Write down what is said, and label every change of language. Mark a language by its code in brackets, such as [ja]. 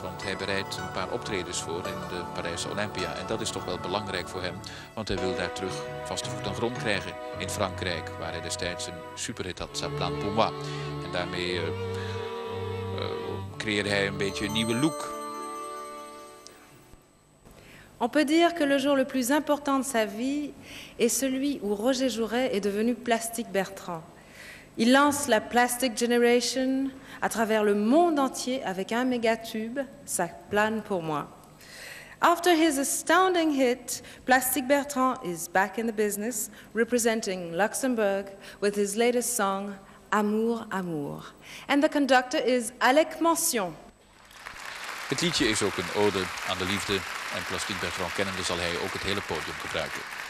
[nl] Want hij bereidt een paar optredens voor in de Parijse Olympia. En dat is toch wel belangrijk voor hem. Want hij wil daar terug vaste voet aan grond krijgen in Frankrijk. Waar hij destijds een superhit had, Sa Plan Pour Moi. En daarmee creëerde hij een beetje een nieuwe look. [fr] On peut dire que le jour le plus important de sa vie est celui où Roger Jouret est devenu Plastic Bertrand. Il lance la Plastic Generation à travers le monde entier avec un méga tube, Sa Plan Pour Moi. [en] After his astounding hit, Plastic Bertrand is back in the business, representing Luxembourg with his latest song, Amour, Amour. And the conductor is Alec Mansion. [nl] Het liedje is ook een ode aan de liefde. En Plastic Bertrand kennende zal hij ook het hele podium gebruiken.